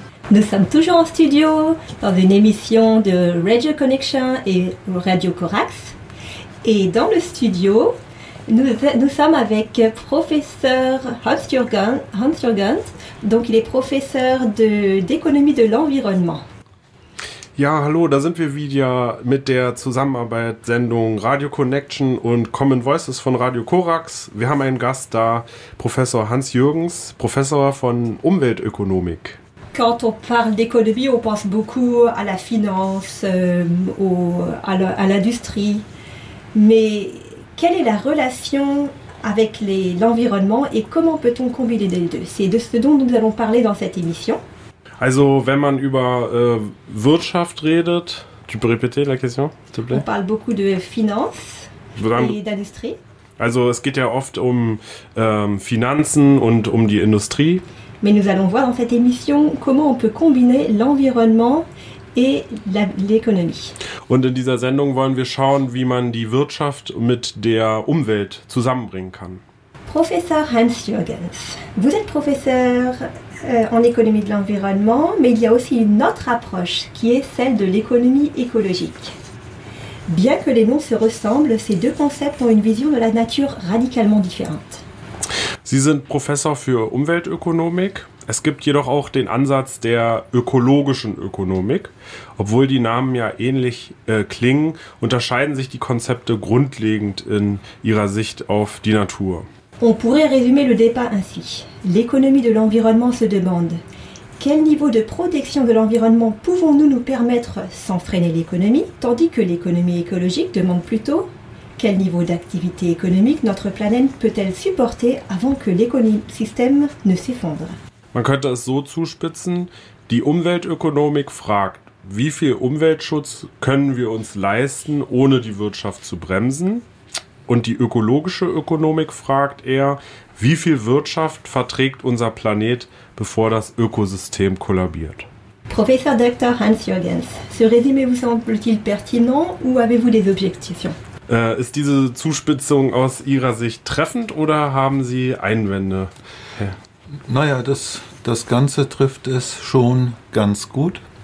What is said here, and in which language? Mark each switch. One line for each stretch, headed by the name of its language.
French: Nous sommes toujours en studio dans une émission de Radio Connection et Radio Corax. Et dans le studio, nous sommes avec professeur Hans Jürgen. Donc, il est professeur d'économie de l'environnement.
German: Ja, hallo, da sind wir wieder mit der Zusammenarbeitssendung Radio Connection und Common Voices von Radio Corax. Wir haben einen Gast da, Professor Hans Jürgens, Professor von Umweltökonomik.
French: Quand on parle d'économie, on pense beaucoup à la finance, à l'industrie. Mais quelle est la relation avec l'environnement et comment peut-on combiner les deux? C'est de ce dont nous allons parler dans cette émission.
German: Also, wenn man über Wirtschaft redet,
French: tu peux répéter la question, s'il te plaît? On parle beaucoup de finance et d'industrie.
German: Also, es geht ja oft um Finanzen und um die Industrie.
French: Mais nous allons voir dans cette émission comment on peut combiner l'environnement et l'économie.
German: Und in dieser Sendung wollen wir schauen, wie man die Wirtschaft mit der Umwelt zusammenbringen kann.
French: Professeur Hans Jürgens, vous êtes professeur en économie de l'environnement, mais il y a aussi une autre approche qui est celle de l'économie écologique. Bien que les noms se ressemblent, ces deux concepts ont une vision de la nature radicalement différente.
German: Sie sind Professor für Umweltökonomik. Es gibt jedoch auch den Ansatz der ökologischen Ökonomik. Obwohl die Namen ja ähnlich klingen, unterscheiden sich die Konzepte grundlegend in ihrer Sicht auf die Natur.
French: On pourrait résumer le débat ainsi. L'économie de l'environnement se demande: quel niveau de protection de l'environnement pouvons-nous nous permettre sans freiner l'économie, tandis que l'économie écologique demande plutôt: quel niveau d'activité économique notre planète peut-elle supporter avant que l'écosystème ne s'effondre?
German: Man könnte es so zuspitzen: die Umweltökonomik fragt, wie viel Umweltschutz können wir uns leisten, ohne die Wirtschaft zu bremsen? Und die ökologische Ökonomik fragt eher, wie viel Wirtschaft verträgt unser Planet, bevor das Ökosystem kollabiert. Professor Dr.
French: Hans Jürgens, ce résumé vous semble-t-il pertinent ou avez-vous des objections?
German: Ist diese Zuspitzung aus Ihrer Sicht treffend oder haben Sie Einwände? Naja, das Ganze trifft es schon ganz gut.